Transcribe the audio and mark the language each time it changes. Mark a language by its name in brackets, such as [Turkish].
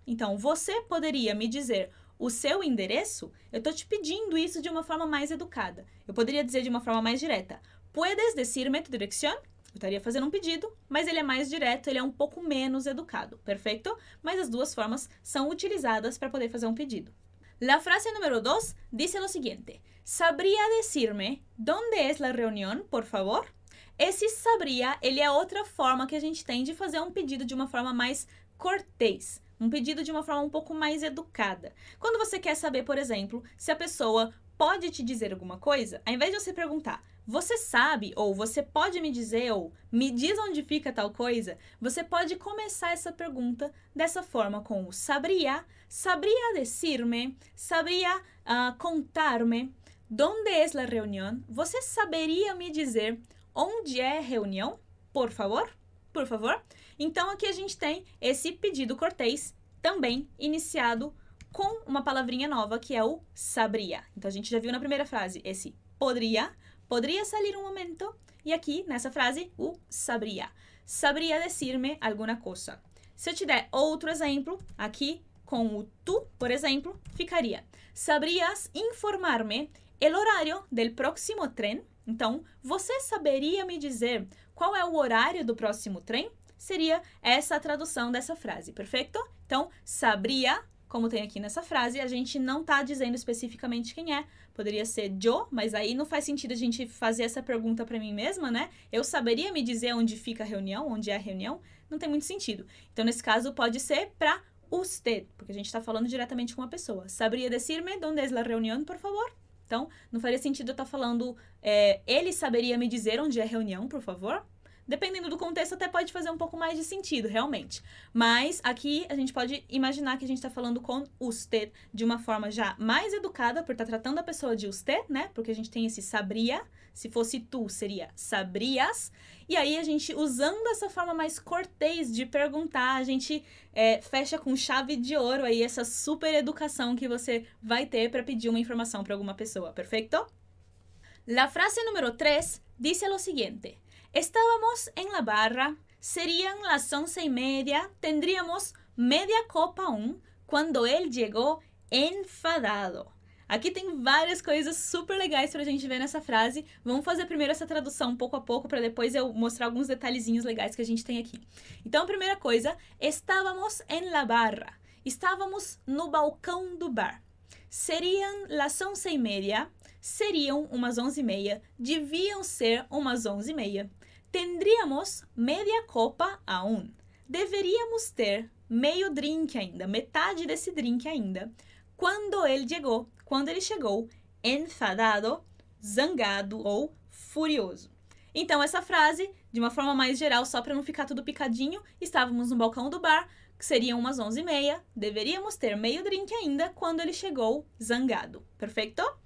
[Portuguese] Então, você poderia me dizer o seu endereço? Eu estou te pedindo isso de uma forma mais educada. Eu poderia dizer de uma forma mais direta [Spanish] ¿puedes decirme tu dirección? [Portuguese] Eu estaria fazendo um pedido, mas ele é mais direto, ele é um pouco menos educado, perfeito? Mas as duas formas são utilizadas para poder fazer um pedido. [Spanish] La frase número 2 dice lo siguiente. ¿Sabría decirme dónde es la reunión, por favor? [Portuguese] Esse sabría, ele é outra forma que a gente tem de fazer um pedido de uma forma mais cortês. Um pedido de uma forma um pouco mais educada. Quando você quer saber, por exemplo, se a pessoa pode te dizer alguma coisa, ao invés de você perguntar, você sabe, ou você pode me dizer, ou me diz onde fica tal coisa, você pode começar essa pergunta dessa forma, com o sabría, [Spanish] sabría decirme, sabría contarme, ¿dónde es la reunión? [Portuguese] Você saberia me dizer onde é a reunião? Por favor, por favor. Então, aqui a gente tem esse pedido cortês, também iniciado com uma palavrinha nova, que é o sabría. Então, a gente já viu na primeira frase esse podría, [Spanish] ¿podría salir un momento? [Portuguese] E aqui, nessa frase, o sabría. [Spanish] ¿Sabría decirme alguna cosa? [Portuguese] Se eu te der outro exemplo, aqui com o tu, por exemplo, ficaria: [Spanish] sabrias informar-me el horario del próximo tren? [Portuguese] Então, você saberia me dizer qual é o horário do próximo trem? Seria essa a tradução dessa frase, perfeito? Então, sabria, como tem aqui nessa frase, a gente não está dizendo especificamente quem é. Poderia ser yo, mas aí não faz sentido a gente fazer essa pergunta para mim mesma, né? Eu saberia me dizer onde fica a reunião, onde é a reunião? Não tem muito sentido. Então, nesse caso, pode ser para usted, porque a gente está falando diretamente com uma pessoa. [Spanish] Sabria decirme dónde es la reunión, por favor? [Portuguese] Então, não faria sentido eu estar falando, ele saberia me dizer onde é a reunião, por favor? Dependendo do contexto, até pode fazer um pouco mais de sentido, realmente. Mas aqui a gente pode imaginar que a gente está falando com usted de uma forma já mais educada, por estar tratando a pessoa de usted, né? Porque a gente tem esse sabria. Se fosse tu, seria sabrias. E aí, a gente, usando essa forma mais cortês de perguntar, a gente fecha com chave de ouro aí essa super educação que você vai ter para pedir uma informação para alguma pessoa, perfeito? [Spanish] La frase número 3 dice lo siguiente: estábamos en la barra, serían las 11:30, tendríamos media copa aún cuando él llegó enfadado. [Portuguese] Aqui tem várias coisas super legais pra gente ver nessa frase. Vamos fazer primeiro essa tradução pouco a pouco para depois eu mostrar alguns detalhezinhos legais que a gente tem aqui. Então, a primeira coisa, [Spanish] estábamos en la barra. [Portuguese] Estávamos no balcão do bar. [Spanish] Serían las 11:30. [Portuguese] Seriam umas 11:30. Deviam ser umas 11:30. [Spanish] Tendríamos media copa aún. [Portuguese] Deveríamos ter meio drink ainda, metade desse drink ainda. Quando ele chegou enfadado, zangado ou furioso. Então, essa frase, de uma forma mais geral, só para não ficar tudo picadinho, estávamos no balcão do bar, que seriam umas 11:30, deveríamos ter meio drink ainda quando ele chegou zangado. Perfeito?